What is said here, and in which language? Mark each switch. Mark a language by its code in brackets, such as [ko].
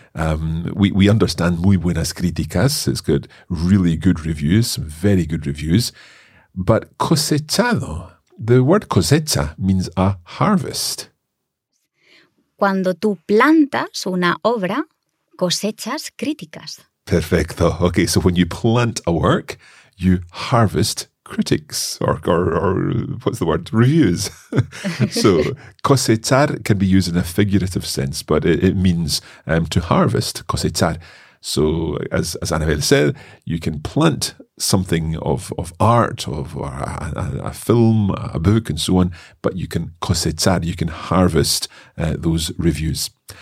[en] We understand [es] muy buenas críticas. [en] It's got really good reviews, very good reviews. But cosechado, the word cosecha means a harvest. [es] Cuando tú plantas una obra, cosechas críticas. Perfecto. [en] Okay, so when you plant a work, you harvest critics, or what's the word? Reviews. So cosechar can be used in a figurative sense, but it means to harvest, cosechar. So as Annabelle said, you can plant something of art, of a film, a book, and so on, but you can cosechar, you can harvest those reviews.